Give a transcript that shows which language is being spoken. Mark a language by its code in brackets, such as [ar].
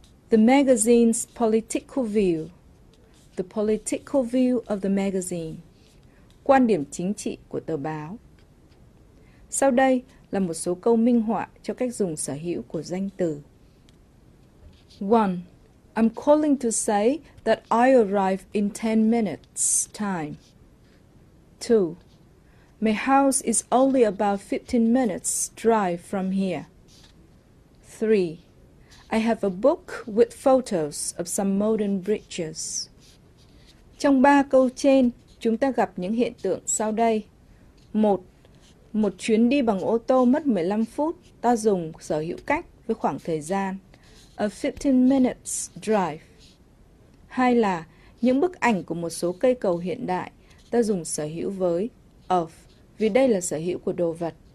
[en] The magazine's political view, the political view of the magazine, [vi] quan điểm chính trị của tờ báo. Sau đây là một số câu minh họa cho cách dùng sở hữu của danh từ. 1. [en] I'm calling to say that I arrive in 10 minutes' time. 2. My house is only about 15 minutes' drive from here. 3. I have a book with photos of some modern bridges. [vi] Trong ba câu trên, chúng ta gặp những hiện tượng sau đây. 1. Một chuyến đi bằng ô tô mất 15 phút, ta dùng sở hữu cách với khoảng thời gian. [en] A 15 minutes drive. [vi] 2 là những bức ảnh của một số cây cầu hiện đại, ta dùng sở hữu với of, vì đây là sở hữu của đồ vật.